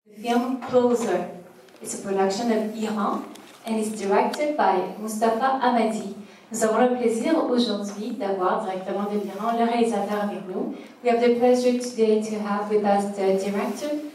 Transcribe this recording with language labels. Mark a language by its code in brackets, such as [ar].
[en] The film Closer is a production of Iran and is directed by Mostafa Ahmadi. [fr] Nous avons le plaisir aujourd'hui d'avoir directement de l'Iran le réalisateur avec nous. [en] We have the pleasure today to have with us the director.